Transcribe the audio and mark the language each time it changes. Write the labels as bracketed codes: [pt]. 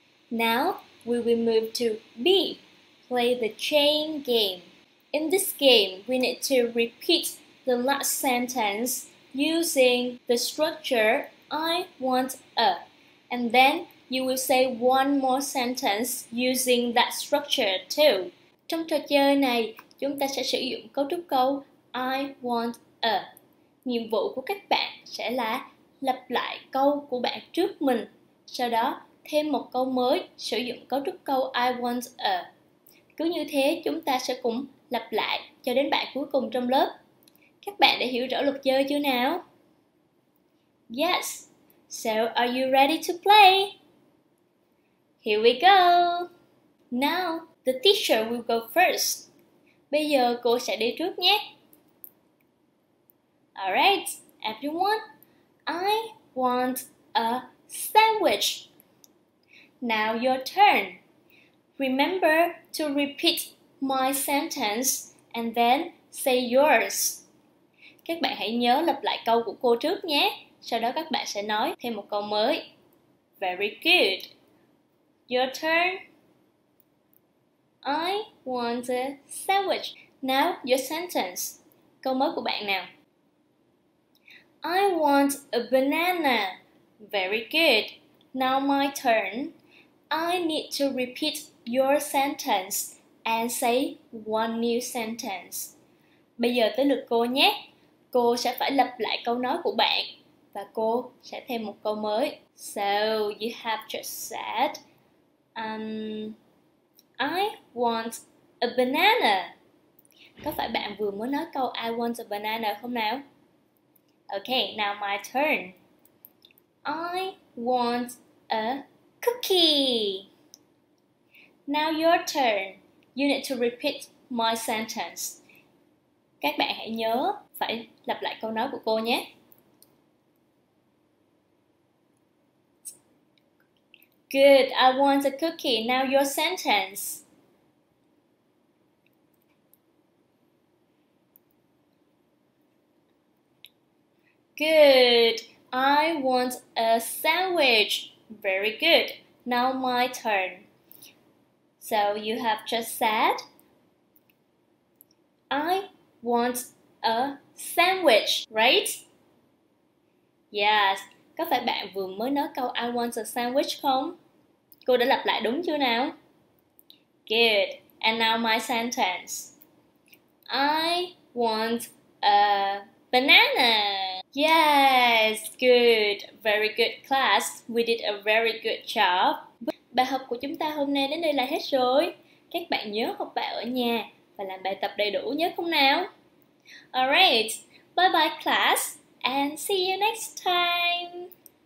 [en] Now, we will move to B, play the chain game. In this game, we need to repeat the last sentence using the structure, I want a. And then you will say one more sentence using that structure too. [vi] Trong trò chơi này, chúng ta sẽ sử dụng cấu trúc câu [en] I want a. [vi] Nhiệm vụ của các bạn sẽ là lặp lại câu của bạn trước mình, sau đó thêm một câu mới sử dụng cấu trúc câu [en] I want a. [vi] Cứ như thế, chúng ta sẽ cùng lặp lại cho đến bạn cuối cùng trong lớp. Các bạn đã hiểu rõ luật chơi chưa nào? [en] Yes! So, are you ready to play? Here we go! Now, the teacher will go first. [vi] Bây giờ cô sẽ đi trước nhé. [en] Alright, everyone. I want a sandwich. Now, your turn. Remember to repeat my sentence and then say yours. [vi] Các bạn hãy nhớ lặp lại câu của cô trước nhé. Sau đó các bạn sẽ nói thêm một câu mới. [en] Very good. Your turn. I want a sandwich. Now your sentence. [vi] Câu mới của bạn nào. [en] I want a banana. Very good. Now my turn. I need to repeat your sentence and say one new sentence. [vi] Bây giờ tới lượt cô nhé. Cô sẽ phải lặp lại câu nói của bạn. Và cô sẽ thêm một câu mới. [en] So, you have just said, I want a banana. [vi] Có phải bạn vừa mới nói câu [en] I want a banana [vi] không nào? [en] Okay, now my turn. I want a cookie. Now your turn. You need to repeat my sentence. [vi] Các bạn hãy nhớ phải lặp lại câu nói của cô nhé. [en] Good, I want a cookie. Now your sentence. Good, I want a sandwich. Very good. Now my turn. So you have just said, I want a sandwich, right? [vi] Yes, có phải bạn vừa mới nói câu [en] I want a sandwich [vi] không? Cô đã lặp lại đúng chưa nào? [en] Good. And now my sentence. I want a banana. Yes. Good. Very good class. We did a very good job. [vi] Bài học của chúng ta hôm nay đến đây là hết rồi. Các bạn nhớ học bài ở nhà và làm bài tập đầy đủ nhớ không nào? [en] Alright. Bye bye class. And see you next time.